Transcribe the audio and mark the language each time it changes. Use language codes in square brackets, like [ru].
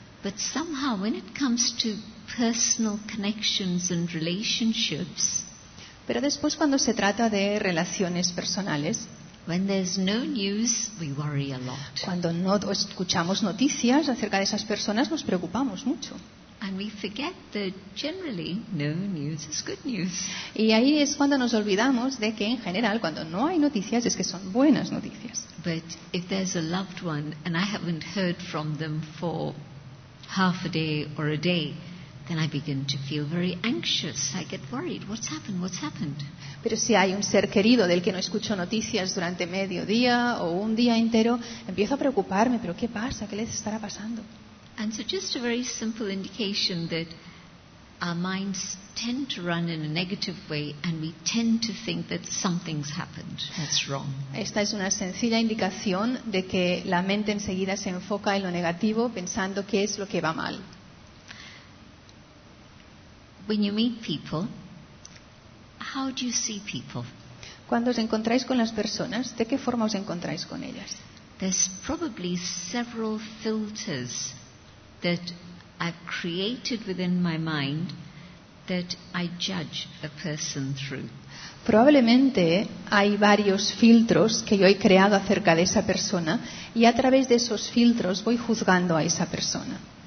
[en] But somehow when it comes to personal connections and relationships, [es] pero después cuando se trata de relaciones personales, [en] when there's no news, we worry a lot. [es] Cuando no escuchamos noticias acerca de esas personas, nos preocupamos mucho. [en] And we forget that generally no news is good news. [es] Y ahí es cuando nos olvidamos de que en general cuando no hay noticias es que son buenas noticias. [en] But if there's a loved one and I haven't heard from them for half a day or a day, then I begin to feel very anxious. I get worried. What's happened? What's happened? [es] Pero si hay un ser querido del que no escucho noticias durante medio día o un día entero, empiezo a preocuparme. Pero ¿qué pasa? ¿Qué les estará pasando? [en] And so just a very simple indication that our minds tend to run in a negative way and we tend to think that something's happened. That's wrong. [es] Esta es una sencilla indicación de que la mente enseguida se enfoca en lo negativo pensando qué es lo que va mal. [en] When you meet people, how do you see people? [es] Cuando os encontráis con las personas, ¿de qué forma os encontráis con ellas? [en] There's probably several filters that I've created within my mind that I judge a person through. [es] Probablemente hay varios filtros que yo he creado acerca de esa persona y a través de esos filtros voy juzgando a esa persona.